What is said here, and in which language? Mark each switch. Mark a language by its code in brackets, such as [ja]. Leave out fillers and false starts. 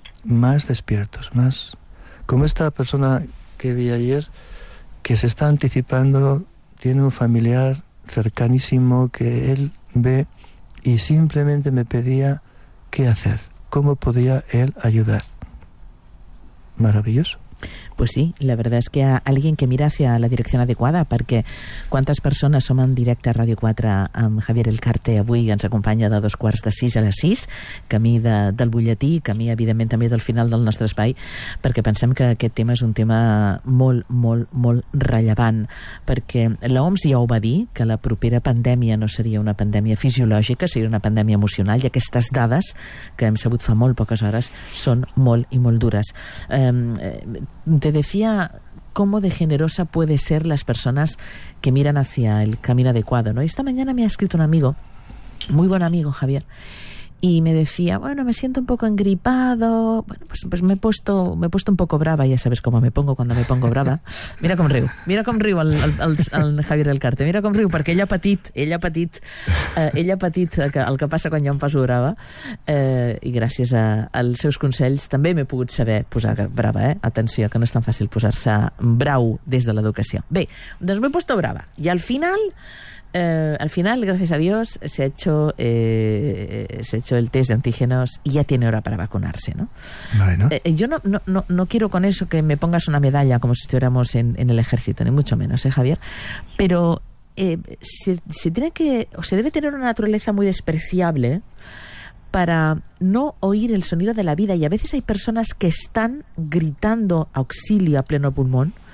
[es] más despiertos, más... como esta persona que vi ayer, que se está anticipando, tiene un familiar cercanísimo que él ve y simplemente me pedía qué hacer, cómo podía él ayudar. Maravilloso. Pues sí, la verdad es que [ca] hi ha alguien que mira hacia la direcció adequada, perquè quantes persones som en directe a Ràdio 4 amb Javier El Carte avui, ens acompanya de 6:45 a 6, camí del butlletí, camí evidentment també del final del nostre espai, perquè pensem que aquest tema és un tema molt, molt, molt rellevant, perquè l'OMS ja ho va dir, que la propera pandèmia no seria una pandèmia fisiològica, seria una pandèmia emocional, i aquestes dades que hem sabut fa molt poques hores són molt i molt dures. [es] Te decía cómo de generosa puede ser las personas que miran hacia el camino adecuado, ¿no? Esta mañana me ha escrito un amigo, muy buen amigo, Javier, y me decía, bueno, me siento un poco engripado, bueno, pues me he puesto un poco brava, ya sabes cómo me pongo cuando me pongo brava. [ca] Mira com riu el Javier El Carte, mira com riu, perquè ell ha patit el que passa quan jo em poso brava, i gràcies als seus consells també m'he pogut saber posar brava, eh? Atenció, que no és tan fàcil posar-se brau des de l'educació. Bé, doncs m'he puesto brava, i al final... [es] al final, gracias a Dios, se ha hecho el test de antígenos y ya tiene hora para vacunarse, ¿no? Bueno. Yo no quiero con eso que me pongas una medalla como si estuviéramos en el ejército, ni mucho menos, Javier. Pero se debe tener una naturaleza muy despreciable para no oír el sonido de la vida, y a veces hay personas que están gritando auxilio a pleno pulmón.